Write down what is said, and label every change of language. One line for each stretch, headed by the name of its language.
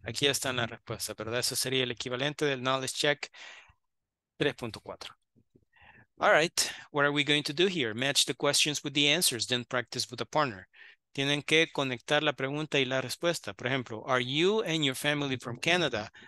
Spanish: Aquí está la respuesta, pero eso sería el equivalente del Knowledge Check 3.4.
English: All right, what are we going to do here? Match the questions with the answers, then practice with a partner.
Spanish: Tienen que conectar la pregunta y la respuesta. Por ejemplo,
English: are you and your family from Canada?